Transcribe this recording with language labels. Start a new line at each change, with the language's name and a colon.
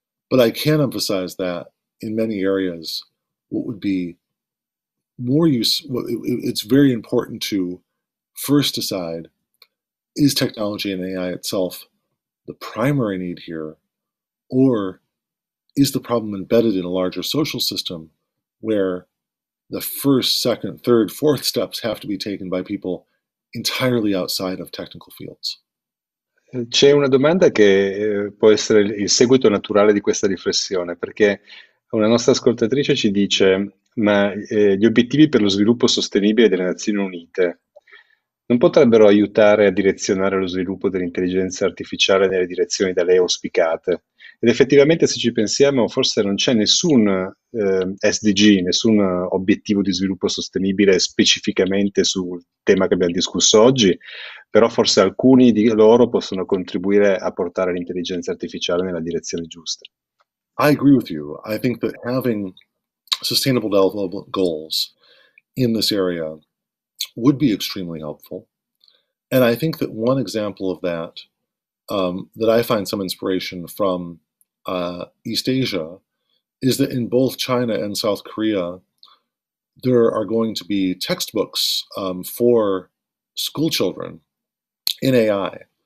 English: But I can emphasize that in many areas, what would be more it's very important to first decide, is technology and AI itself the primary need here, or is the problem embedded in a larger social system where the first, second, third, fourth steps have to be taken by people entirely outside of technical fields?
Italian: C'è una domanda che può essere il seguito naturale di questa riflessione, perché una nostra ascoltatrice ci dice: ma gli obiettivi per lo sviluppo sostenibile delle Nazioni Unite non potrebbero aiutare a direzionare lo sviluppo dell'intelligenza artificiale nelle direzioni da lei auspicate? Ed effettivamente, se ci pensiamo, forse non c'è nessun SDG, nessun obiettivo di sviluppo sostenibile specificamente sul tema che abbiamo discusso oggi, però forse alcuni di loro possono contribuire a portare l'intelligenza artificiale nella direzione giusta.
English: I agree with you. I think that having sustainable development goals in this area would be extremely helpful. And I think that one example of that, that I find some inspiration from East Asia, is that in both China and South Korea, there are going to be textbooks for school children in AI.